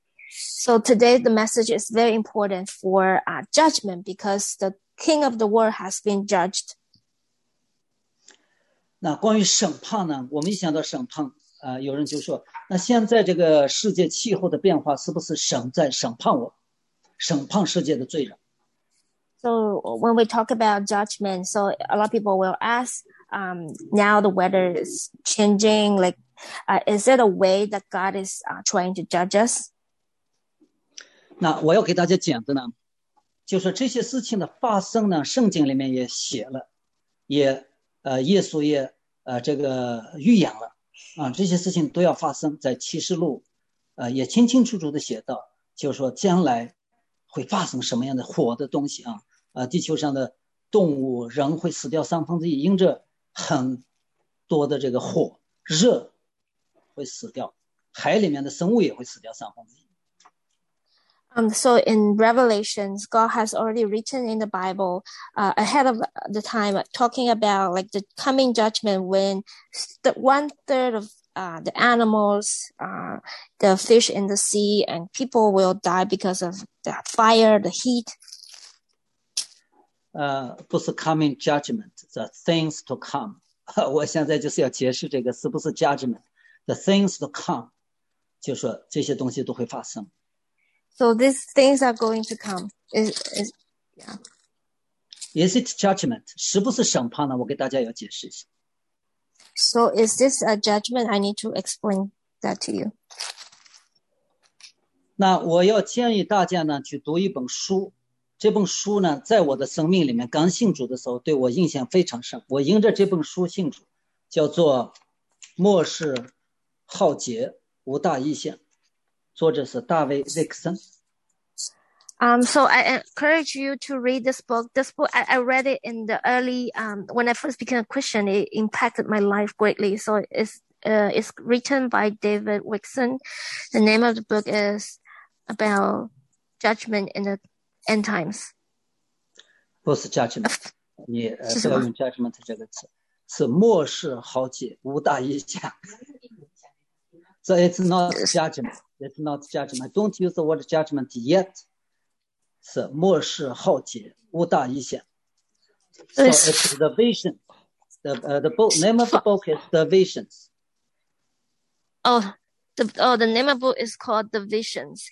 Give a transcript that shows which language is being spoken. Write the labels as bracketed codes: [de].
[en] So today the message is very important for judgment because the king of the world has been judged. [zh] 那关于审判呢，我们一想到审判，有人就说，那现在这个世界气候的变化是不是神在审判我，审判世界的罪人 [en] ？So when we talk about judgment, so a lot of people will ask, now the weather is changing. Like, is it a way that God is trying to judge us? [zh] 那我要给大家讲的呢，就是这些事情的发生呢，圣经里面也写了，也耶稣也这个预言了。这些事情都要发生在启示录，也清清楚楚的写到，就是说将来会发生什么样的火的东西地球上的动物人会死掉三分之一，因着很多的这个火热。会死掉，海里面的生物也会死掉三分之一。 [en] So in Revelations, God has already written in the Bible, ahead of the time, talking about like the coming judgment when the one third of the animals, the fish in the sea, and people will die because of that fire, the heat. [zh] 不是 [en] coming judgment, the things to come. [zh] 我现在就是要解释这个是不是 [en] judgment, the things to come, [zh] 就是说这些东西都会发生。 [en] So these things are going to come. Is it judgment? [zh] 是不是审判呢？我给大家要解释一下。 [en] So is this a judgment? I need to explain that to you. [zh] 那我要建议大家呢，去读一本书。这本书呢，在我的生命里面，刚信主的时候，对我印象非常深。我因着这本书信主，叫做《末世浩劫无大异象》。作者是大卫·瑞克森。 [en] So I encourage you to read this book. This book, I read it in the early, when I first became a Christian, it impacted my life greatly. So it's written by David Wickson. The name of the book is about judgment in the end times. [zh] 不是 judgment, 你不要用 judgment 这个词，是末世浩劫无大异象。 [en] So it's not judgment. It's not judgment. Don't use the word judgment yet. [zh] 是末世浩劫无大异象。 [en] So it's the vision. The book name of the book is The Visions. The name of the book is called The Visions.